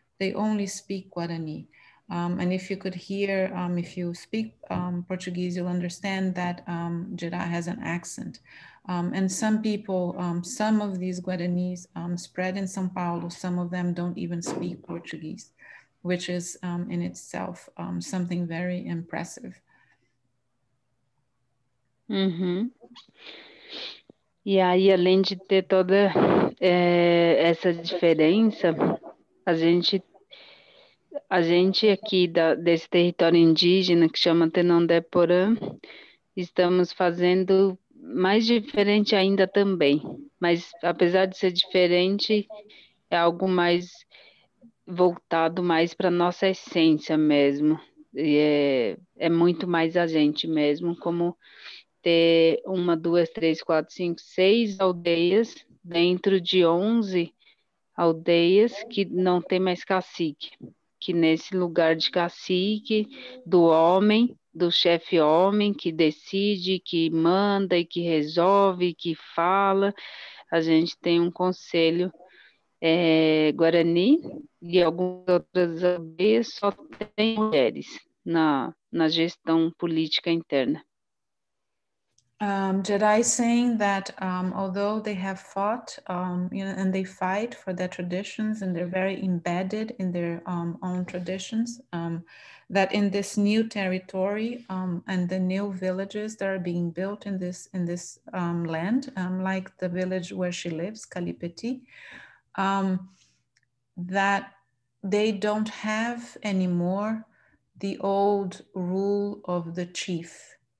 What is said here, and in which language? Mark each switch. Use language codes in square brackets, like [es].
[en] They only speak Guarani. And if you could hear, if you speak Portuguese, you'll understand that Jerá has an accent. And some people, some of these Guaranis spread in São Paulo, some of them don't even speak Portuguese, which is in itself something very impressive. Uhum. [pt] E aí, além de ter toda essa diferença, a gente aqui desse território indígena que chama Tenondéporã, estamos fazendo mais diferente ainda também, mas apesar de ser diferente, é algo mais voltado mais para a nossa essência mesmo, e é muito mais a gente mesmo, como ter 1, 2, 3, 4, 5, 6 aldeias dentro de 11 aldeias que não tem mais cacique, que nesse lugar de cacique, do homem, do chefe homem que decide, que manda e que resolve, que fala, a gente tem um conselho Guarani, e algumas outras aldeias só tem mulheres na gestão política interna. [en] Jerá is saying that although they have fought and they fight for their traditions, and they're very embedded in their own traditions, that in this new territory and the new villages that are being built in this land, like the village where she lives, Calipeti, that they don't have anymore the old rule of the chief.